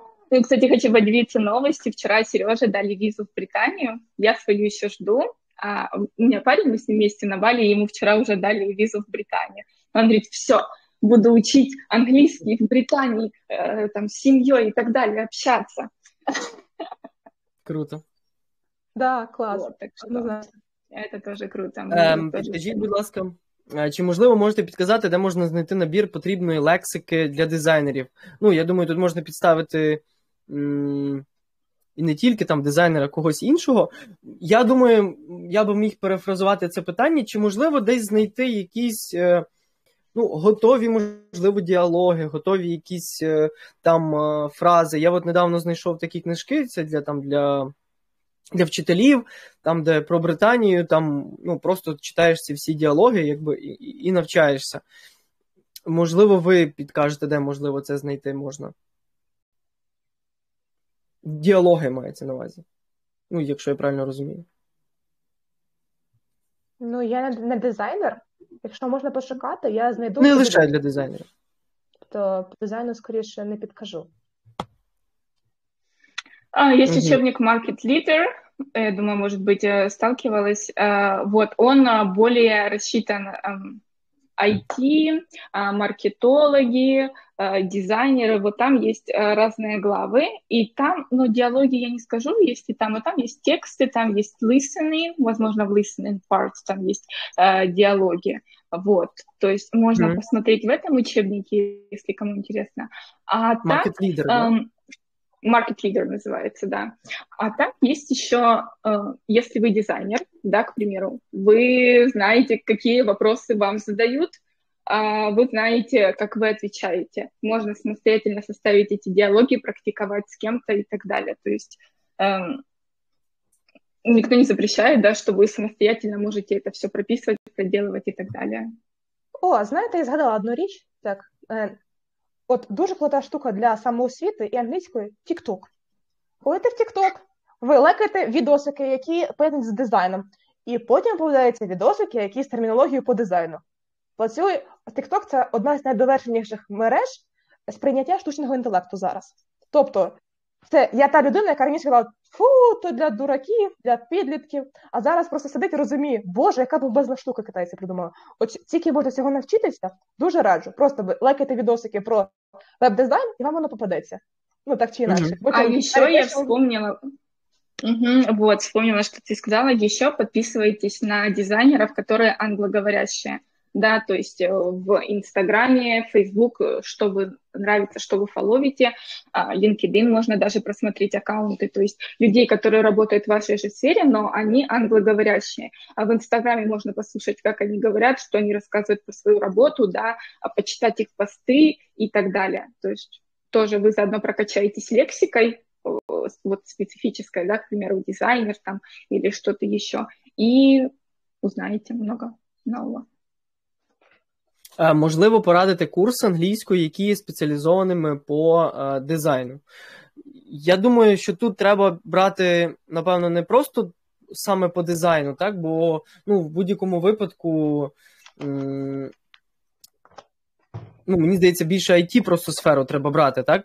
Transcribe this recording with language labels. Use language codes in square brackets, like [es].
[uk] Ну, кстати, хочу поділитися новості. Вчора Сереже дали візу в Британію, я свою ще [ru] жду. [uk] А у мене [ru] парень, [uk] ми з ним [ru] вместе [uk] на Балі, йому вчора вже дали візу в Британію. [ru] Он говорит, все, буду учить [uk] англійський в Британії, там, з сім'єю і так далі, общатися. Круто. Да, клас. [ru] Вот, [uk] так що, [ru] это тоже круто. [uk] Підкажіть, будь ласка, чи, можливо, можете підказати, де можна знайти набір потрібної лексики для дизайнерів? Ну, я думаю, тут можна підставити і не тільки там дизайнера, когось іншого. Я думаю, я би міг перефразувати це питання, чи, можливо, десь знайти якісь Ну, готові, можливо, діалоги, готові якісь там фрази. Я от недавно знайшов такі книжки, це для там для вчителів, там, де про Британію, там, ну, просто читаєш ці всі діалоги, якби, і навчаєшся. Можливо, ви підкажете, де, можливо, це знайти можна. Діалоги мається на увазі. Ну, якщо я правильно розумію. Ну, я не дизайнер. Якщо можна пошукати, я знайду. Не лише для дизайнера. То по дизайну, скоріше, не підкажу. Є учебник Market Leader. [ru] Думаю, может быть, сталкивалась. Вот, он более рассчитан IT, маркетологи, дизайнеры. Вот там есть разные главы. И там, ну, диалоги я не скажу, есть и там, и там есть тексты, там есть listening, возможно, в listening parts там есть диалоги. Вот, то есть можно посмотреть в этом учебнике, если кому интересно. А Market так, Leader, Market Leader называется, да. А там есть еще, если вы дизайнер, да, к примеру, вы знаете, какие вопросы вам задают, вы знаете, как вы отвечаете. Можно самостоятельно составить эти диалоги, практиковать с кем-то и так далее. То есть никто не запрещает, да, что вы самостоятельно можете это все прописывать, проделывать и так далее. [uk] О, знаете, я згадала одну [ru] речь, [uk] так... От дуже крута штука для самоосвіти і англійської – TikTok. Ходите в TikTok, ви лайкаєте відосики, які пов'язані з дизайном, і потім появляються відосики, які з термінологією по дизайну. Працює TikTok – це одна з найдовершеніших мереж сприйняття штучного інтелекту зараз. Тобто, це я та людина, яка раніше казала, фу, то для дураків, для підлітків, а зараз просто сидить і розуміє, боже, яка бомбезна штука китайці придумала. От тільки можна цього навчитися, дуже раджу. Просто лайкайте відосики про веб-дизайн, і вам воно попадеться. Ну, так чи інакше. Потім, а ще я [ru] вспомнила... Вот, вспомнила, [uk] що ти сказала, ще підписуйтесь на дизайнерів, які англоговорящі. [ru] Да, то есть в Инстаграме, Фейсбук, что вы нравится, что вы фолловите, LinkedIn можно даже просмотреть аккаунты, то есть людей, которые работают в вашей же сфере, но они англоговорящие. А в Инстаграме можно послушать, как они говорят, что они рассказывают про свою работу, да, почитать их посты и так далее. То есть тоже вы заодно прокачаетесь лексикой, вот специфической, да, к примеру, дизайнер там или что-то еще, и узнаете много нового. [uk] Можливо, порадити курс англійської, який є спеціалізованими по дизайну. Я думаю, що тут треба брати, напевно, не просто саме по дизайну, так? Бо ну, в будь-якому випадку, ну, мені здається, більше IT просто сферу треба брати, так?